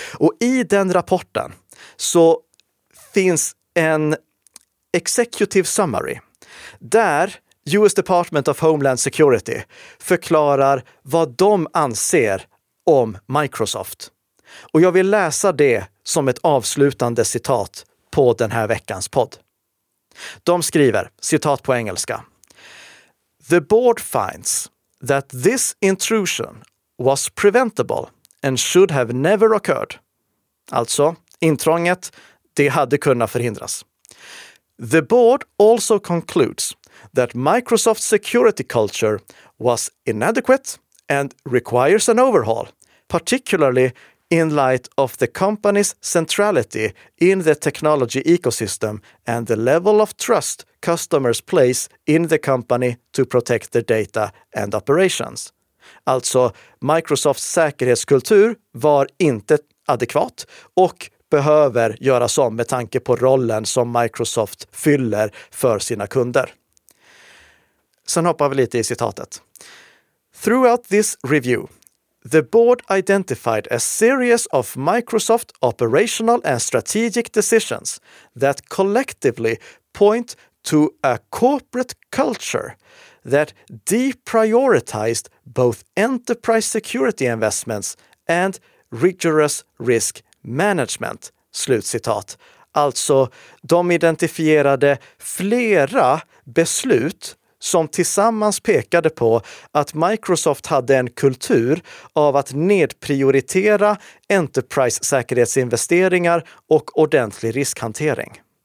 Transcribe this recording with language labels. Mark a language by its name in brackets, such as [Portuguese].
[Swedish] Och i den rapporten så finns en executive summary där US Department of Homeland Security förklarar vad de anser om Microsoft. Och jag vill läsa det som ett avslutande citat på den här veckans podd. De skriver, citat på engelska: [English] "The board finds that this intrusion was preventable and should have never occurred." [Swedish] Alltså, intrånget, det hade kunnat förhindras. [English] "The board also concludes that Microsoft's security culture was inadequate and requires an overhaul, particularly in light of the company's centrality in the technology ecosystem and the level of trust customers place in the company to protect their data and operations." [Swedish] Alltså, Microsofts säkerhetskultur var inte adekvat och behöver göras om med tanke på rollen som Microsoft fyller för sina kunder. Sen hoppar vi lite i citatet. [English] "Throughout this review, the board identified a series of Microsoft operational and strategic decisions that collectively point to a corporate culture that deprioritized both enterprise security investments and rigorous risk management." [Swedish] Slutcitat. Alltså, de identifierade flera beslut som tillsammans pekade på att Microsoft hade en kultur av att nedprioritera enterprise-säkerhetsinvesteringar och ordentlig riskhantering.